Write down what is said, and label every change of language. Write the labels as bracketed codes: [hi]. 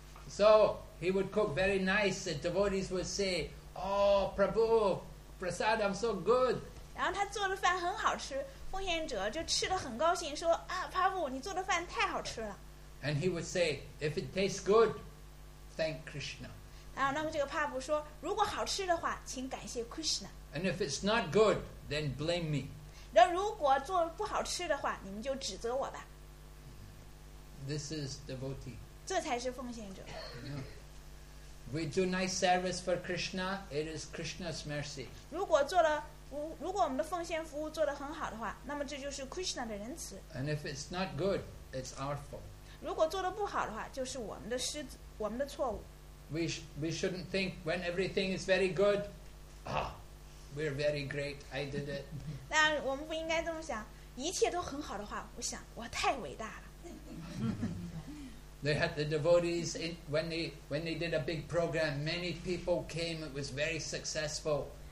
[en] So he would cook very nice, the devotees would say, oh, Prabhu, prasadam so good. [zh] 然后他做的饭很好吃，奉献者就吃得很高兴，说啊，Prabhu，你做的饭太好吃了。 [en] And he would say, if it tastes good, thank Krishna. [zh] 然后那么这个Prabhu说，如果好吃的话，请感谢Krishna。 [en] And if it's not good, then blame me. [zh] 然后如果做不好吃的话，你们就指责我吧。 [en] This is devotee. [zh] 这才是奉献者。 [en] We do nice service for Krishna, it is Krishna's mercy. [zh] 如果我们的奉献服务做得很好的话, 那么这就是Krishna的仁慈。 [en] And if it's not good, it's our fault. [zh] 如果做得不好的话, 就是我们的错误。 [en] We shouldn't think when everything is very good, ah, we're very great, I did it. [zh] 但我们不应该这么想, 一切都很好的话, 我想我太伟大了。 [en] They had the devotees in, when they did a big program, many people came, it was very successful.